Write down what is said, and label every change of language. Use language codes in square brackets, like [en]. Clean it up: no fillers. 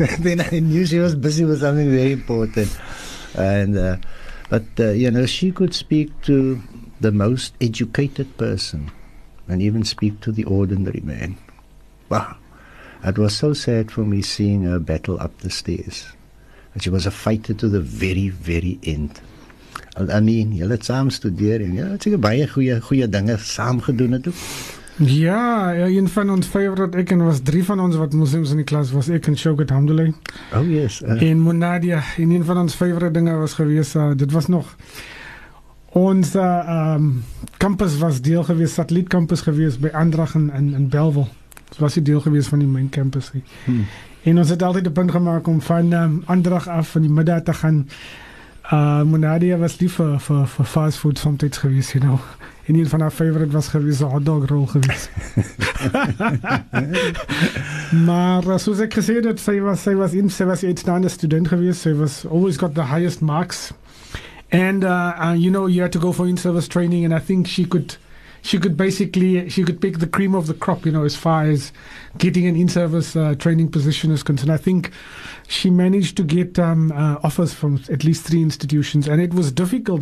[en] Then I knew she was busy with something very important. But she could speak to the most educated person and even speak to the ordinary man. Wow. It was so sad for me seeing her battle up the stairs. And she was a fighter to the very, very end. [af] I mean, jy het saam studeer en jy het seker baie goeie dinge saam gedoen het. Ja, een van ons favorite, ek en was drie van ons wat moslims in die klas was, ek en Shoghat Hamdulay. Oh yes. En Munadia, en een van ons favorite dinge was gewees, dit was nog... Ons campus was deel gewees, satelliet campus gewees by Andrag in Belville. So was die deel gewees van die main campus. En ons het altyd die punt gemaak om van Andrag af van die middag te gaan. Munadia was lief vir fast food somtijds gewees, you know. En een van haar favorite was gewees, hot dog roll gewees. Maar soos ek gesê het, sy was een uitstaande student gewees. Sy was [en] always got the highest marks. And you know, you had to go for in-service training, and I think she could pick the cream of the crop, you know, as far as getting an in-service training position is concerned. I think she managed to get offers from at least three institutions, and it was difficult.